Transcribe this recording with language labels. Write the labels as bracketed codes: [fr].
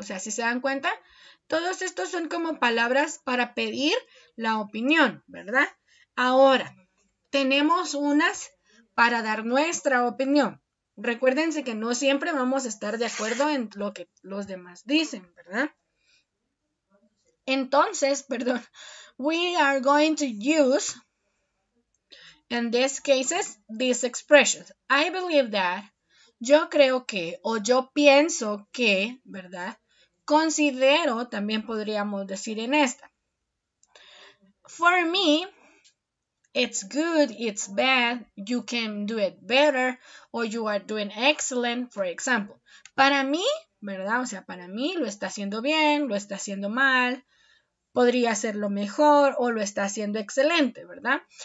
[es] O sea, si se dan cuenta, todos estos son como palabras para pedir la opinión, ¿verdad? Ahora, tenemos unas para dar nuestra opinión. Recuérdense que no siempre vamos a estar de acuerdo en lo que los demás dicen, ¿verdad? Entonces, perdón, [en] we are going to use, in these cases, these expressions. I believe that, [es] yo creo que, o yo pienso que, ¿verdad? Considero, también podríamos decir en esta. [en] For me, it's good, it's bad, you can do it better, or you are doing excellent, for example. [es] Para mí, ¿verdad? O sea, para mí lo está haciendo bien, lo está haciendo mal. Podría hacerlo mejor o lo está haciendo excelente, ¿verdad?